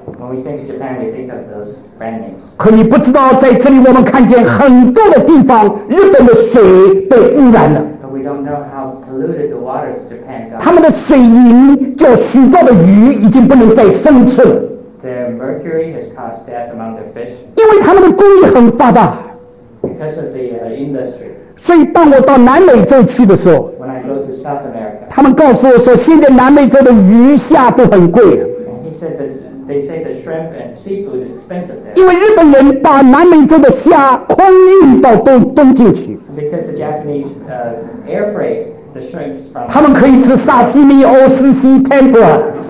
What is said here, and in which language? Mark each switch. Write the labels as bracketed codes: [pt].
[en] When we think of Japan, we think of those brand names. [zh] 可你不知道，在这里我们看见很多的地方，日本的水被污染了。 [en] But we don't know how polluted the waters of Japan got. [zh] 他们的水银叫许多的鱼已经不能再生吃了。 [en] Their mercury has caused death among their fish. [zh] 因为他们的工艺很发达。 [en] Because of the industry. [zh] 所以当我到南美洲去的时候， [en] When I go to South America, [zh] 他们告诉我说，现在南美洲的鱼虾都很贵。 [en] And he said that they say the shrimp and seafood is expensive there. [zh] 因为日本人把南美洲的虾空运到东京去。 [en] Because the Japanese air freight the shrimps from. [zh] 他们可以吃沙西米、欧司西、tempura。